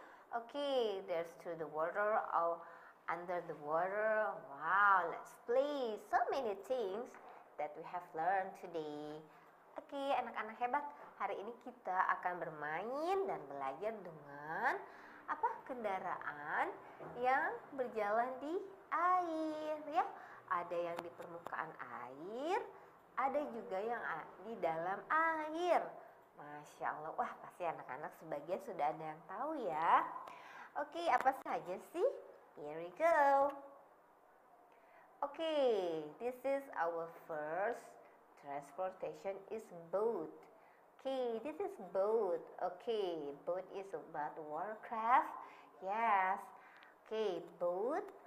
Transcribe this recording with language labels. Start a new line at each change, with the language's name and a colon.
English: Okay, there's through the water or under the water. Wow, let's play. So many things that we have learned today.
Indonesian: Okay, anak-anak hebat, hari ini kita akan bermain dan belajar dengan apa? Kendaraan yang berjalan di air, ya. Ada yang di permukaan air, ada juga yang di dalam air. Masya Allah, wah pasti anak-anak sebagian sudah ada yang tahu ya. Okay, apa saja sih?
English: Here we go. Okay, this is our first transportation is boat. Okay, this is boat. Okay, boat is about watercraft. Yes. Okay, boat.